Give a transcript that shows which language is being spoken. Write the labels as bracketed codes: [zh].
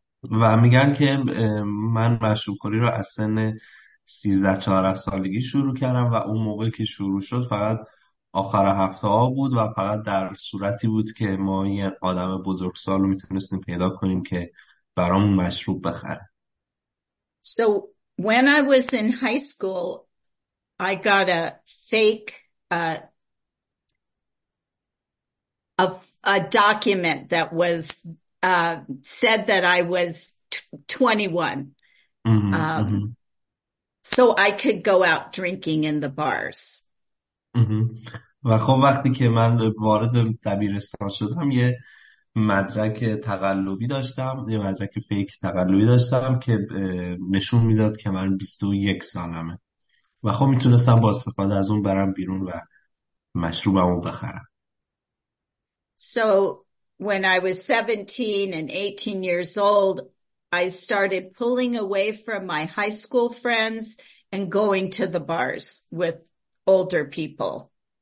[fa] و میگن که من مشروب‌خوری رو از سن 13-14 سالگی شروع کردم و اون موقع که شروع شد فقط آخر هفته ها بود و فقط در صورتی بود که ما یه آدم بزرگ سال رو میتونستیم پیدا کنیم که برامون مشروب بخره. [en] So when I was in high school, I got a fake a document that was said that I was 21. So I could go out drinking in the bars. [fa] و خب وقتی که من وارد دبیرستان شدم یه مدرک تقلبی داشتم، یه مدرک فیک تقلبی داشتم که نشون میداد که من 21 سالمه و خب میتونستم با استفاده از اون برم بیرون و مشروبمو بخرم. [en] So when I was 17 and 18 years old, I started pulling away from my high school friends and going to the bars with older people.